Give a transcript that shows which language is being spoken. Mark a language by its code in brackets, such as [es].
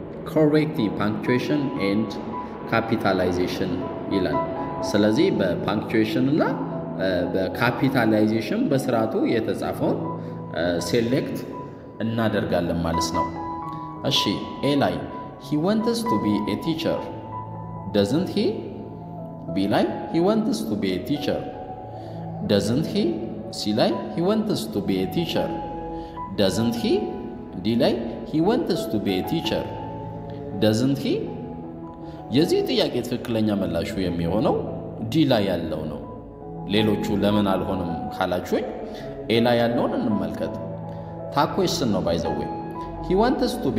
[en] correct in punctuation and capitalization [am] ይላል። ስለዚህ በpunctuation እና በcapitalization በስርዓቱ የተጻፈው select እናደርጋለን ማለት ነው። እሺ [en] a ላይ he wants to be a teacher doesn't he? b line he wants to be a teacher doesn't he? c line he wants to be a teacher doesn't he? d line he wants to be a teacher doesn't he? [am] የዚህ ጥያቄ ትክክለኛ መልሱ የሚሆነው d ላይ ያለው ነው። ሌሎቹ ለምን አልሆነም ካላችሁኝ a ላይ ያለውን እንመልከት። ታኩሽን ነው by the way he wants